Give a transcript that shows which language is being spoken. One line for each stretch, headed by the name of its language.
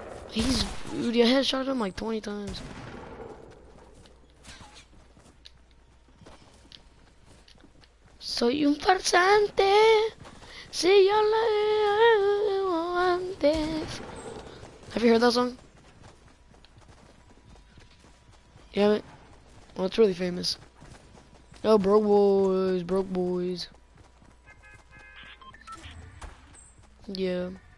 English: He's booty. I headshot him like 20 times.
Spanish: Soy un farsante, si yo lo veo antes.
English: Have you heard that song? You haven't? Well, it's really famous. Oh, broke boys. Yeah.